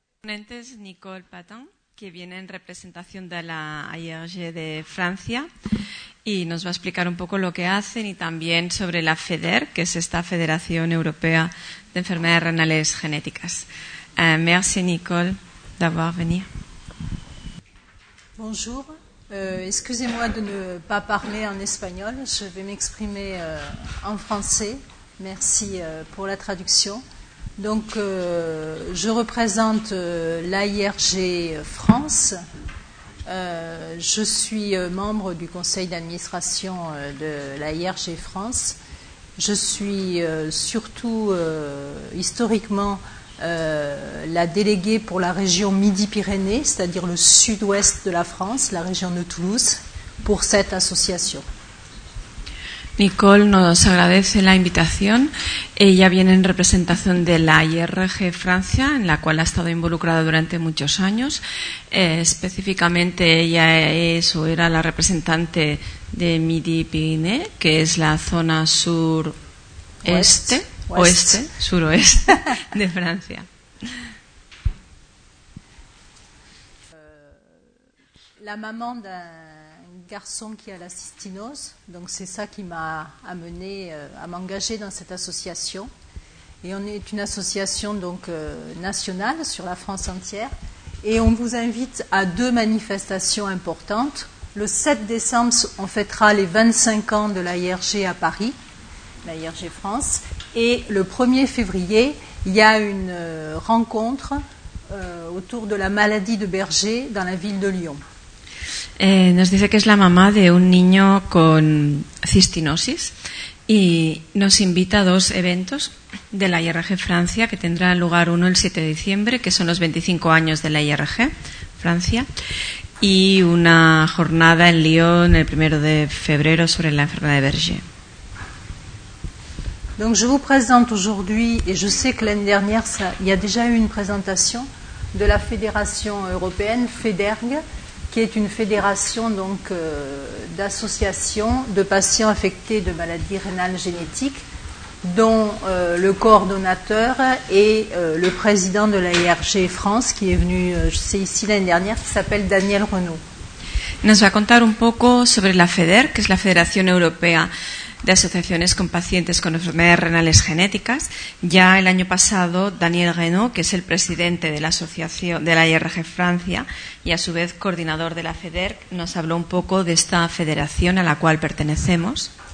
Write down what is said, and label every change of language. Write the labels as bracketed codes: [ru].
[es] ponentes Nicole Patton, que viene en representación de la IRG de Francia y nos va a explicar un poco lo que hacen y también sobre la FEDER, que es esta Federación Europea de Enfermedades Renales Genéticas. [fr] Merci Nicole d'avoir venir. Bonjour. Excusez-moi de ne pas parler en espagnol. Je vais m'exprimer en français. Merci pour la traduction. Donc, je représente l'AIRG France. Je suis membre du conseil d'administration de l'AIRG France. Je suis surtout, historiquement, la déléguée pour la région Midi-Pyrénées, c'est-à-dire le sud-ouest de la France, la région de Toulouse, pour cette association. [es] Nicole nos agradece la invitación. Ella viene en representación de la IRG Francia, en la cual ha estado involucrada durante muchos años. Específicamente, ella es o era la representante de Midi-Pyrénées, que es la zona sur-este, oeste, suroeste de Francia. [fr] La maman de garçon qui a la cystinose, donc c'est ça qui m'a amené à m'engager dans cette association. Et on est une association donc nationale sur la France entière, et on vous invite à deux manifestations importantes. Le 7 décembre, on fêtera les 25 ans de l'AIRG à Paris, l'AIRG France, et le 1er février, il y a une rencontre autour de la maladie de Berger dans la ville de Lyon. [es] Nos dice que es la mamá de un niño con cistinosis y nos invita a dos eventos de la IRG Francia, que tendrá lugar uno el 7 de diciembre, que son los 25 años de la IRG Francia, y una jornada en Lyon el 1 de febrero sobre la enfermedad de Berger. [fr] Donc je vous présente aujourd'hui, et je sais que l'année dernière il y a déjà eu une présentation de la Fédération européenne FEDERG, qui est une fédération donc d'associations de patients affectés de maladies rénales génétiques, dont le coordonnateur est le président de l'AIRG France, qui est venu, je sais, ici l'année dernière, qui s'appelle Daniel Renaud. [es] Nos va a contar un poco sobre la FEDER, que es la Federación Europea de Asociaciones con Pacientes con Enfermedades Renales Genéticas. Ya el año pasado, Daniel Renaud, que es el presidente de la asociación de la IRG Francia y a su vez coordinador de la FEDER, nos habló un poco de esta federación a la cual pertenecemos.